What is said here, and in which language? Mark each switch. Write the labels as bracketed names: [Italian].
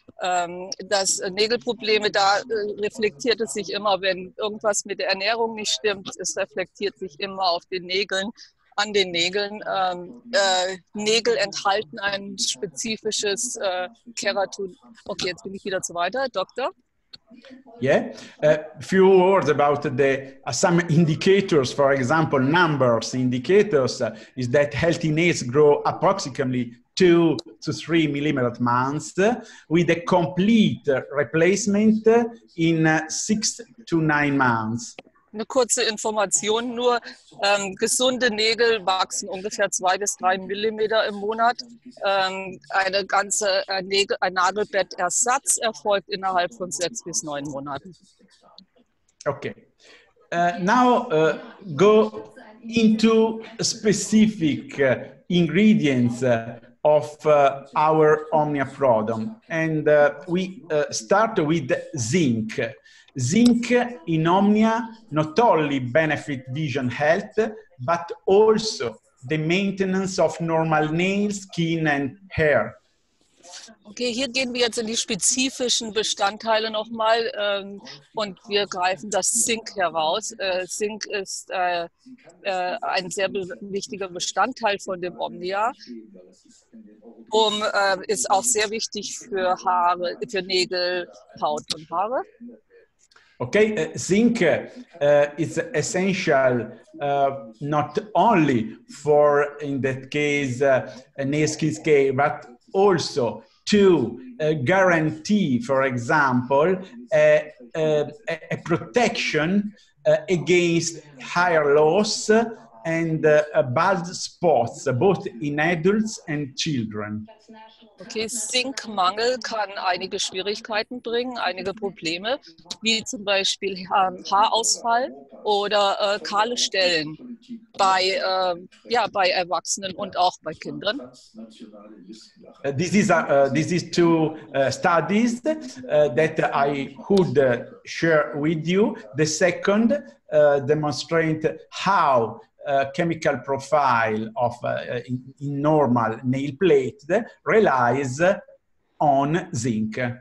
[German] Das Nägelprobleme, da reflektiert es sich immer, wenn irgendwas mit der Ernährung nicht stimmt, es reflektiert sich immer auf den Nägeln, an den Nägeln. Nägel enthalten ein spezifisches Keratin. Okay, jetzt bin ich wieder zu weiter. Doktor? [English] Yeah, a few words about the some indicators. For example, numbers indicators is that healthy nails grow approximately 2 to 3 millimeters a month, with a complete replacement in 6 to 9 months. [German] Eine kurze Information nur, gesunde Nägel wachsen ungefähr 2 bis 3 Millimeter im Monat. Ein Nagelbettersatz erfolgt innerhalb von 6 bis 9 Monaten. [English] Okay. Now go into specific ingredients of our Omnia Prodom. And we start with zinc. Zinc in Omnia not only benefit vision health, but also the maintenance of normal nails, skin and hair. [German] Okay, hier gehen wir jetzt in die spezifischen Bestandteile nochmal und wir greifen das Zink heraus. Zink ist ein sehr wichtiger Bestandteil von dem Omnia. Ist auch sehr wichtig für Haare, für Nägel, Haut und Haare. [English] Okay, zinc is essential not only for, in that case, nail care, but also to guarantee, for example, a protection against hair loss and bald spots, both in adults and children. [German] Okay, Zinkmangel kann einige Schwierigkeiten bringen, einige Probleme, wie zum Beispiel Haarausfall oder kahle Stellen bei Erwachsenen und auch bei Kindern. [English] This is two studies that I could share with you. The second demonstrate how chemical profile of in normal nail plate relies on zinc.